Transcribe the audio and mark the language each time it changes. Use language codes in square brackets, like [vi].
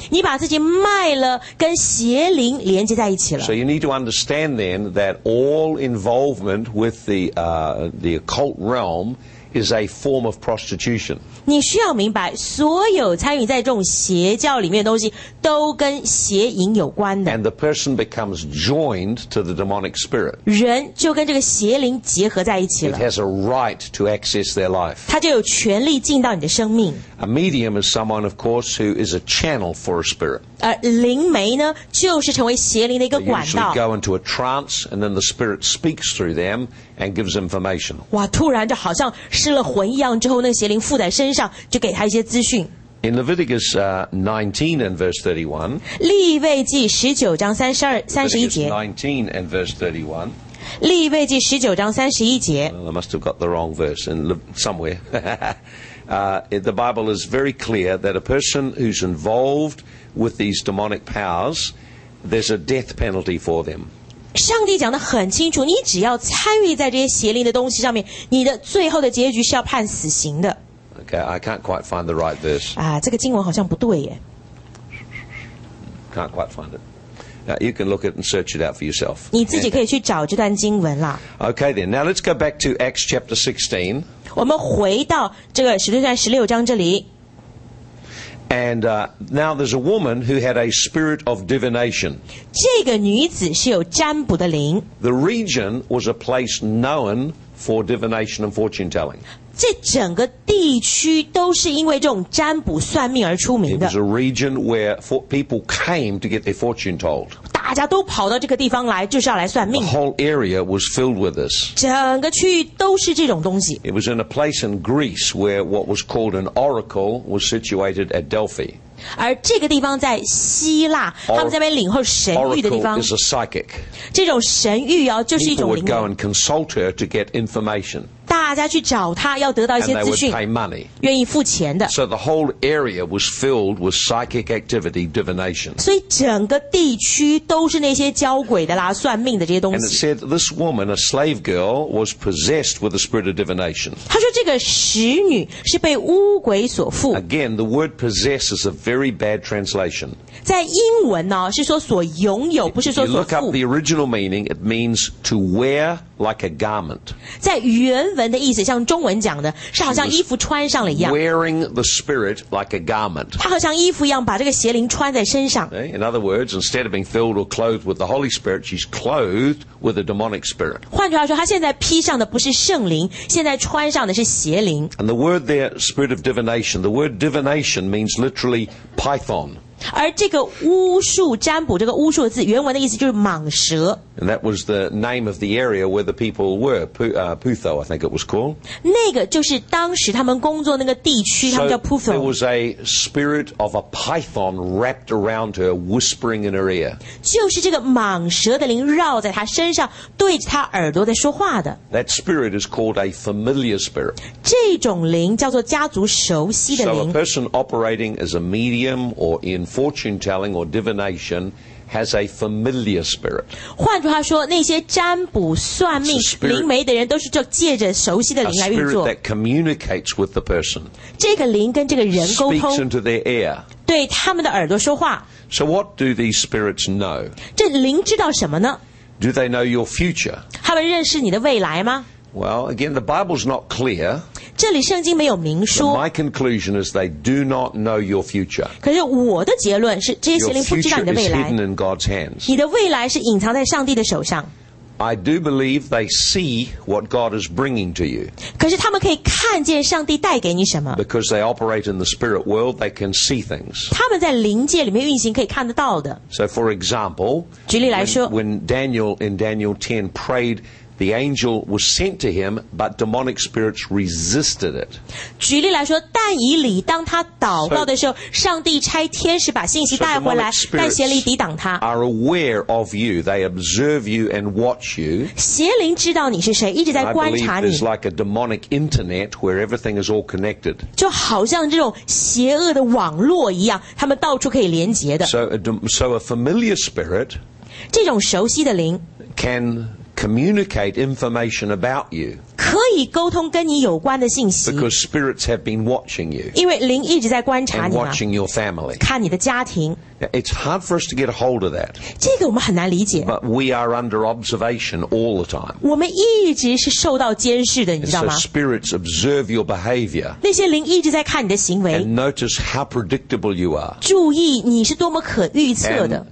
[zh] 你把自己卖了，跟邪灵连接在一起了。 [en] So you need to understand then that all involvement with the occult realm is a form of prostitution. [zh] 你需要明白，所有参与在这种邪教里面的东西，都跟邪淫有关的。 [en] And the person becomes joined to the demonic spirit. [zh] 人就跟这个邪灵结合在一起了。 [en] It has a right to access their life. [zh] 他就有权利进到你的生命。 [en] A medium is someone, of course, who is a channel for a spirit. [zh] 灵媒呢，就是成为邪灵的一个管道。 [en] They usually go into a trance, and then the spirit speaks through them. And gives information. [zh] 哇，突然就好像失了魂一样，之后那个邪灵附在身上，就给他一些资讯。 [en] In Leviticus 19 and verse 31. [zh] 利未记十九章三十二三十一节。 [en] 19 and verse 31. [zh] 利未记十九章三十一节。 [en] Well, I must have got the wrong verse in somewhere. the Bible is very clear that a person who's involved with these demonic powers, there's a death penalty for them. [zh] 上帝讲得很清楚，你只要参与在这些邪灵的东西上面，你的最后的结局是要判死刑的。 [en] Okay, I can't quite find the right verse. [zh] 啊，这个经文好像不对耶。 [en] Can't quite find it. Now, you can look it and search it out for yourself. [zh] 你自己可以去找这段经文啦。 [en] Okay then, now let's go back to Acts chapter 16. [zh] 我们回到这个使徒行传十六章这里。 [en] And now there's a woman who had a spirit of divination. [zh] 这个女子是有占卜的灵。 [en] The region was a place known for divination and fortune telling. [zh] 这整个地区都是因为这种占卜算命而出名的。 [en] It was a region where people came to get their fortune told. [zh] 大家都跑到这个地方来，就是要来算命。 [en] The whole area was filled with this. [zh] 整个区域都是这种东西。 [en] It was in a place in Greece where what was called an oracle was situated at Delphi. [zh] 而这个地方在希腊，他们在那边领候神谕的地方。 [en] Oracle is a psychic. [zh] 这种神谕啊，就是一种灵媒。 [en] People would go and consult her to get information. [zh] 大家去找他要得到一些资讯，愿意付钱的。 [en] So the whole area was filled with psychic activity, divination. [zh] 所以整个地区都是那些交鬼的啦，算命的这些东西。 [en] And it said this woman, a slave girl, was possessed with the spirit of divination. [zh] 他说这个使女是被巫鬼所附。 [en] Again, the word possess is a very bad translation. [zh] 在英文呢，是说所拥有，不是说所附。 [en] You look up the original meaning, it means to wear. Like a garment. [zh] 在原文的意思，像中文讲的，是好像衣服穿上了一样。 [en] Wearing the spirit like a garment. [zh] 他好像衣服一样，把这个邪灵穿在身上。 [en] In other words, instead of being filled or clothed with the Holy Spirit, she's clothed with a demonic spirit. [zh] 换句话说，他现在披上的不是圣灵，现在穿上的是邪灵。 [en] And the word there, spirit of divination. The word divination means literally python. [zh] 而这个巫术占卜，这个巫术的字，原文的意思就是蟒蛇。 [en] And that was the name of the area where the people were, Putho, I think it was called. [zh] 那个就是当时他们工作那个地区，他们叫 Putho. [en] So there was a spirit of a python wrapped around her, whispering in her ear. [zh] 就是这个蟒蛇的灵绕在她身上，对着她耳朵在说话的。 [en] That spirit is called a familiar spirit. [zh] 这种灵叫做家族熟悉的灵。 [en] So a person operating as a medium or in fortune telling or divination has a familiar spirit. [zh] 换句话说，那些占卜算命灵媒的人都是就借着熟悉的灵来运作。 [en] A spirit that communicates with the person. [zh] 这个灵跟这个人沟通。 [en] Speaks into their ear. [zh] 对他们的耳朵说话。 [en] So what do these spirits know? [zh] 这灵知道什么呢？ [en] Do they know your future? [zh] 他们认识你的未来吗？ [en] Well, again, the Bible's not clear. [zh] 这里圣经没有明说。 [en] My conclusion is they do not know your future. [zh] 可是我的结论是，这些邪灵不知道你的未来。 [en] Your future is hidden in God's hands. [zh] 你的未来是隐藏在上帝的手上。 [en] I do believe they see what God is bringing to you. [zh] 可是他们可以看见上帝带给你什么。 [en] Because they operate in the spirit world, they can see things. [zh] 他们在灵界里面运行可以看得到的。 [en] So for example, [zh] 举例来说 [en] when Daniel in Daniel 10 prayed,The angel was sent to him, but demonic spirits resisted it. [zh] 举例来说，但以理当他祷告的时候，上帝差天使把信息带回来，但邪灵抵挡他。 [en] Are aware of you, they observe you and watch you. [zh] 邪灵知道你是谁，一直在观察你。 [en] I believe there's like a demonic internet where everything is all connected. [zh] 就好像这种邪恶的网络一样，他们到处可以连接的。 [en] So a familiar spirit, [zh] 这种熟悉的灵 [en] can. Communicate information about you. [zh] 可以沟通跟你有关的信息。 [en] Because spirits have been watching you. [zh] 因为灵一直在观察你嘛。 [en] And watching your family. [zh] 看你的家庭。 [en] It's hard for us to get a hold of that. [zh] 这个我们很难理解。 [en] But we are under observation all the time. [zh] 我们一直是受到监视的，你知道吗？ [en] And so spirits observe your behavior. [zh] 那些灵一直在看你的行为。 [en] And notice how predictable you are. [zh] 注意你是多么可预测的。